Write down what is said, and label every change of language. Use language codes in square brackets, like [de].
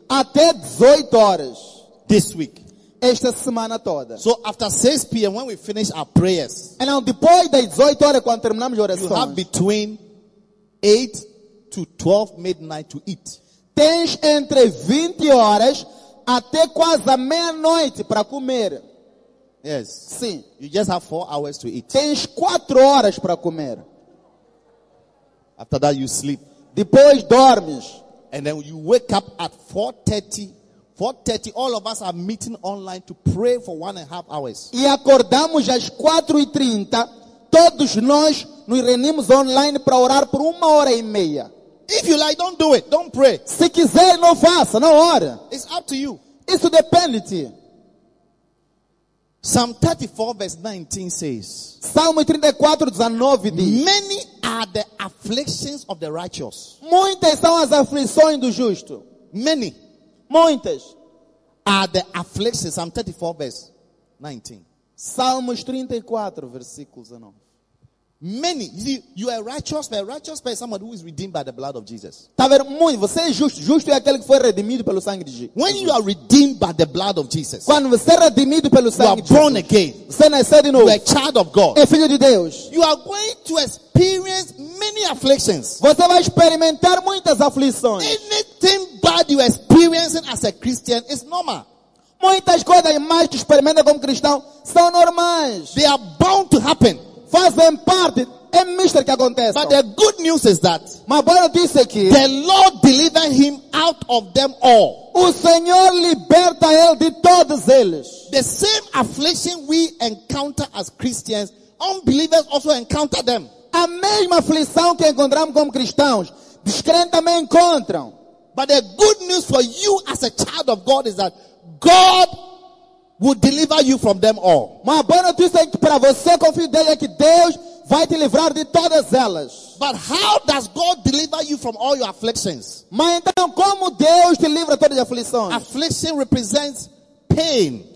[pt] Até 18 horas. [en] This week. [pt] Esta semana toda. [en] So after 6 p.m. when we finish our prayers. And now [pt] depois das 18 horas quando terminamos a oração. [en] You have between 8 to 12 midnight to eat. [pt] Tens entre 20 horas até quase a meia-noite para comer. [en] Yes. [pt] Sim. [en] You just have 4 hours to eat. [pt] Tens 4 horas para comer. [en] After that you sleep. [pt] Depois dormes. [en] And then you wake up at 4:30. 4:30, all of us are meeting online to pray for 1.5 hours. [pt] E acordamos às 4:30, todos nós nos reunimos online para orar por 1 hora e meia. [en] If you like, don't do it. Don't pray. [pt] Se quiser, não faça, não ore. [en] It's up to you. [pt] Isso depende de ti. [en] Psalm 34, verse 19 says. [pt] Salmo 34, 19 diz. [en] Many are the afflictions of the righteous. [pt] Muitas são as aflições do justo. [en] Many. [pt] Muitas. [en] Are the afflictions. Psalm 34, verse 19. [pt] Salmos 34, versículo 19. [en] Many, you are righteous, but a righteous person is someone who is redeemed by the blood of Jesus. [pt] Tá vendo? Muito. Você é justo. Justo é aquele que foi redimido pelo sangue de Jesus. [en] When you are redeemed by the blood of Jesus. [pt] Quando você é redimido pelo sangue de Jesus. [en] You are born again. [pt] Você nasceu de novo. [en] You are a child of God. [pt] É filho de Deus. [en] You are going to experience many afflictions. [pt] Você vai experimentar muitas aflições. [en] Anything bad you are experiencing as a Christian is normal. [pt] Muitas coisas mais que experimenta como cristão são normais. [en] They are bound to happen. [pt] Fazem parte, é mister que acontece. [en] But the good news is that my brother [pt] disse que [en] the Lord delivered him out of them all. [pt] O Senhor liberta ele de todos eles. [en] The same affliction we encounter as Christians, unbelievers also encounter them. [pt] A mesma aflição que encontramos como cristãos, descrentes também encontram. [en] But the good news for you as a child of God is that God will deliver you from them all. [pt] Uma boa notícia para você, confio dele, é que Deus vai te livrar de todas elas. [en] But how does God deliver you from all your afflictions? [pt] Mas então, como Deus te livra todas as aflições? [en] Affliction represents pain.